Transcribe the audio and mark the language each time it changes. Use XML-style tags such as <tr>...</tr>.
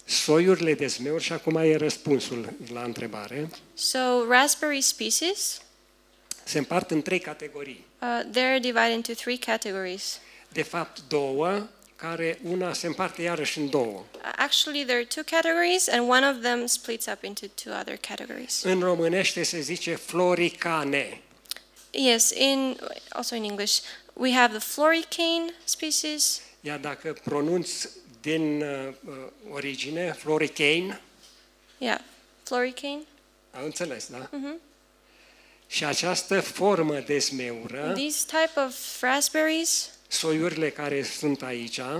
<ro>Soiurile de zmeuri și acum e răspunsul la întrebare.</ro> <en>So raspberry species.</en> <ro>Se împart în trei categorii.</ro> <en>They're divided into three categories.</en> <ro>De fapt două, care una se împarte iarăși în două.</ro> <en>Actually there are two categories and one of them splits up into two other categories.</en> <ro>În românește se zice floricane.</ro> <en>Yes, in also in English we have the floricane species.</en> <ro>Ia dacă pronunț din origine floricane.</ro> <en>Yeah, floricane.</en> <ro>Am înțeles, da? Mm-hmm. Și această formă de zmeură,</ro> <en>these type of raspberries,</en> <ro>soiurile care sunt aici,</ro>